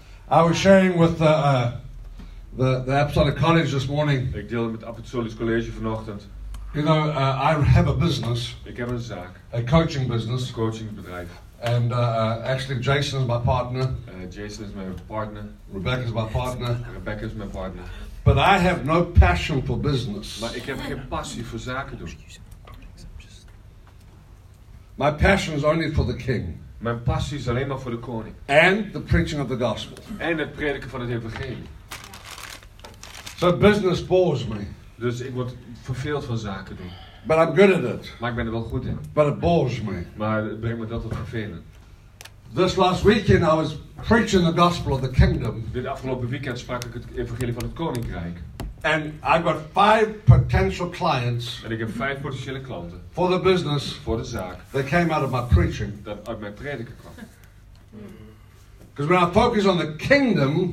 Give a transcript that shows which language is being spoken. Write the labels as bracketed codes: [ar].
[en] I was sharing with the Apostolic College this morning. [nl] Ik deelde met Apostolisch College vanochtend. [en] You know, I have a business. [nl] Ik heb een zaak. [en] A coaching business. [nl] Een coachingbedrijf. [en] And actually, Jason is my partner. [nl] Jason is mijn partner. [en] Rebecca is my partner. [nl] Rebecca is mijn partner. [en] But I have no passion for business. [nl] Maar ik heb geen passie voor zaken doen. [en] My passion is only for the King. [nl] Mijn passie is alleen maar voor de koning. [en] And the preaching of the gospel. [nl] En het prediken van het evangelie. [en] So business bores me. [nl] Dus ik word verveeld van zaken doen. [en] But I'm good at it. [nl] Maar ik ben er wel goed in. [en] But it bores me. [nl] Maar het brengt me dat tot vervelen. [en] This last weekend I was preaching the gospel of the kingdom. [nl] Dit afgelopen weekend sprak ik het evangelie van het koninkrijk. [en] And I got 5 potential clients. [nl] En ik heb 5 potentiële klanten. [en] For the business. [nl] Voor de zaak. [en] That came out of my preaching. [nl] Dat uit mijn prediken kwam. [en] Because when I focus on the kingdom.